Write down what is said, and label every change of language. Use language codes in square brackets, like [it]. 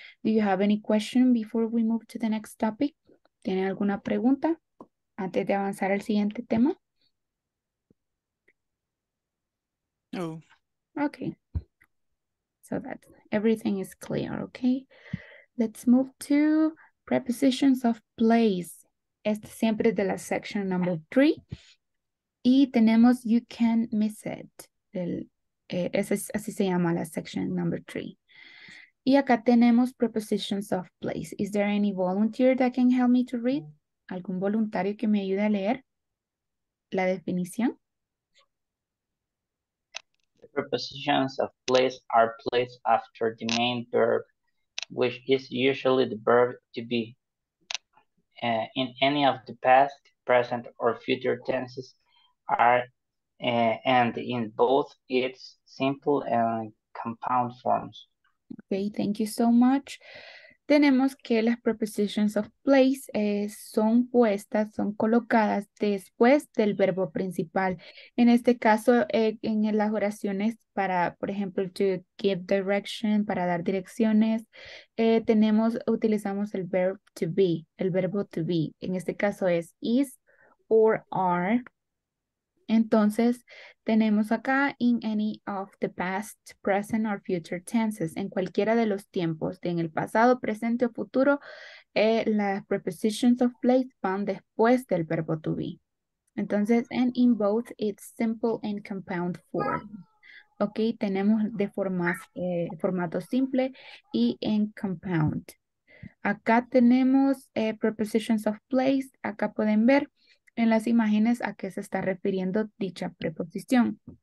[en] Do you have any question before we move to the next topic? [es] ¿Tienen alguna pregunta antes de avanzar al siguiente tema? No. [en] Okay. So that everything is clear, okay? Let's move to prepositions of place. [es] Este siempre es de la section number 3. Y tenemos [en] you can miss it. [es] Así se llama la section number 3. Y acá tenemos prepositions of place. [en] Is there any volunteer that can help me to read? [es] ¿Algún voluntario que me ayude a leer la definición? [en] The prepositions of place are placed after the main verb, which is usually the verb to be. In any of the past, present, or future tenses, and in both its simple and compound forms. Okay, thank you so much. [es] Tenemos que las prepositions of place son puestas, son colocadas después del verbo principal. En este caso, en las oraciones para, por ejemplo, [en] to give direction, [es] para dar direcciones, utilizamos el verb to be, el verbo to be. En este caso es [en] is or are. [es] Entonces, tenemos acá [en] in any of the past, present, or future tenses. [es] En cualquiera de los tiempos, en el pasado, presente o futuro, las prepositions of place van después del verbo to be. [en] Entonces, and in both, it's simple and compound form. [es] Ok, tenemos de formato simple y en compound. Acá tenemos prepositions of place. Acá pueden ver en las imágenes a qué se está refiriendo dicha preposición.